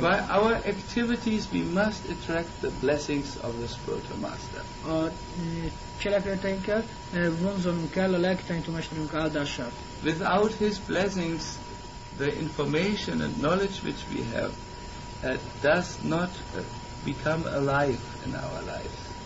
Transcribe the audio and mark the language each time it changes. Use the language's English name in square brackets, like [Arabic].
[English] By our activities we must attract the blessings of the spiritual master. [Hungarian] A cselekedeteinkkel vonzanunk kell a lelkitanító mesterünk áldását. [English] Without his blessings, the information and knowledge which we have does not become alive in our lives.